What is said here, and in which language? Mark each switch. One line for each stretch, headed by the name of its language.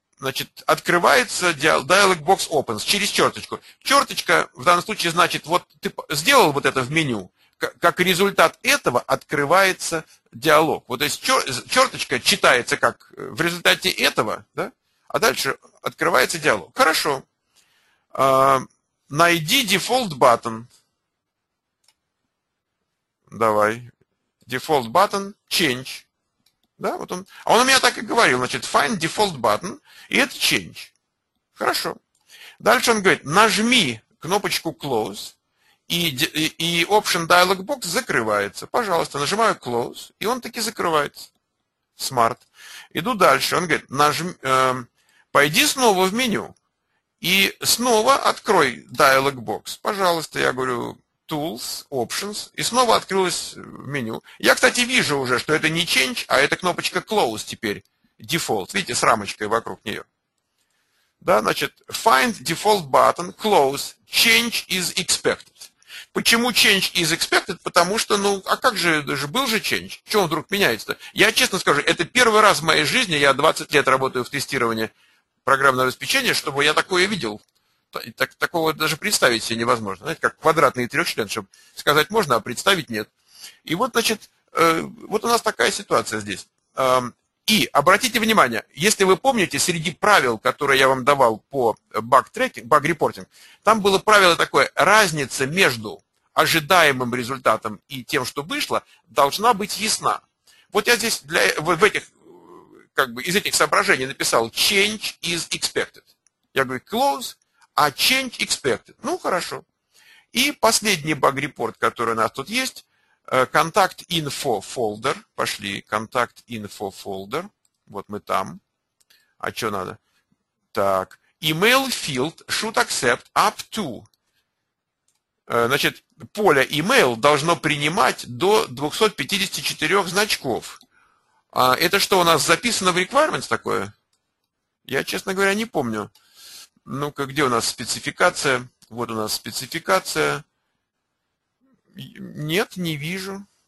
Russian: Значит, открывается
English: dialog box opens
Russian: через черточку. Черточка в данном случае значит, вот ты сделал вот это в меню, как результат этого открывается диалог. Вот то есть черточка читается как в результате этого, да, а дальше открывается диалог. Хорошо. Найди default button. Давай. Default button, change. Да, вот он. А он у меня так и говорил, значит,
English: find default button,
Russian: и это change. Хорошо. Дальше он говорит, нажми кнопочку close, и option dialog box закрывается. Пожалуйста, нажимаю close, и он таки закрывается.
English: Smart.
Russian: Иду дальше, он говорит, пойди снова в меню, и снова открой dialog box. Пожалуйста, я говорю, Tools, Options, и снова открылось в меню. Я, кстати, вижу уже, что это не Change, а это кнопочка Close теперь, Default. Видите, с рамочкой вокруг нее. Да, значит,
English: Find Default Button, Close, Change is Expected.
Russian: Почему
English: Change is Expected?
Russian: Потому что, ну, а как же, был же Change? Что он вдруг меняется-то? Я честно скажу, это первый раз в моей жизни, я 20 лет работаю в тестировании программного обеспечения, чтобы я такое видел. Такого даже представить себе невозможно. Знаете, как квадратный трехчлен, чтобы сказать можно, а представить нет. И вот, значит, вот у нас такая ситуация здесь. И обратите внимание, если вы помните, среди правил, которые я вам давал по баг-репортинг, там было правило такое, разница между ожидаемым результатом и тем, что вышло, должна быть ясна. Вот я здесь из этих соображений написал
English: change is expected.
Russian: Я говорю close, а
English: change expected.
Russian: Ну, хорошо. И последний баг-репорт, который у нас тут есть.
English: Contact info folder.
Russian: Пошли. Contact info folder. Вот мы там. А что надо? Так.
English: Email field should accept up to.
Russian: Значит, поле email должно принимать до 254 значков. Это что у нас записано в requirements такое? Я, честно говоря, не помню. Ну-ка, где у нас спецификация? Вот у нас спецификация. Нет, не вижу.